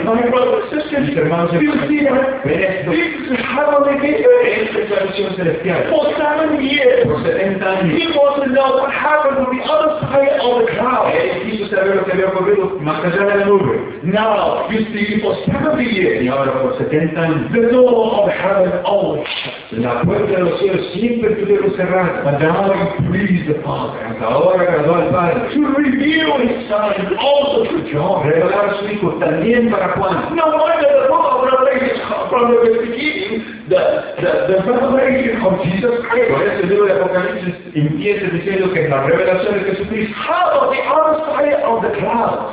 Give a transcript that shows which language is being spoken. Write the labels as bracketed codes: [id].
[en] My brothers and sisters, you see that this heavenly vision. For 7 years, [es] por 70 años, [en] he wants to know what happened on the other side of the cloud. [es] Quiso saber lo que había ocurrido más allá de la nube. [en] Now, you see, for 70 years, [es] y ahora por 70 años, [en] the door of heaven always shut. [es] La puerta de los cielos siempre estuvieron cerradas. [en] But now he pleased the Father. [es] Hasta ahora agradó al Padre. [en] To reveal his Son also to John. [es] Revelar a su Hijo también. [en] No wonder the book of Revelation from the beginning, the revelation of Jesus Christ. [es] Por eso el libro de Apocalipsis empieza diciendo que es la revelación de Jesucristo. [en] How about the other side of the cloud?